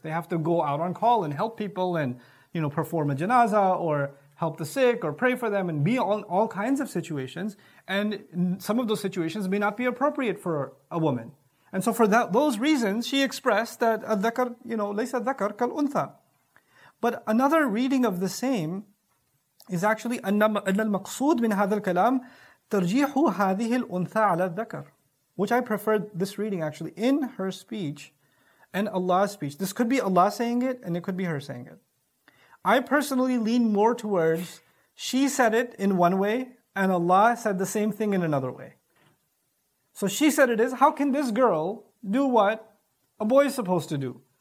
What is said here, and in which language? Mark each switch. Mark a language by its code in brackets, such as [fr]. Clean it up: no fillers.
[en] They have to go out on call and help people and, you know, perform a janazah or help the sick or pray for them and be on all kinds of situations. And some of those situations may not be appropriate for a woman. And so for those reasons, she expressed that al-dhakar, you know, [ar] laysa dhakar kal-untha. [en] But another reading of the same is actually [ar] أن المقصود من هذا الكلام ترجيح هذه الأنثى على الذكر. [en] Which I prefer this reading actually, in her speech and Allah's speech. This could be Allah saying it and it could be her saying it. I personally lean more towards she said it in one way and Allah said the same thing in another way. So she said it is, how can this girl do what a boy is supposed to do?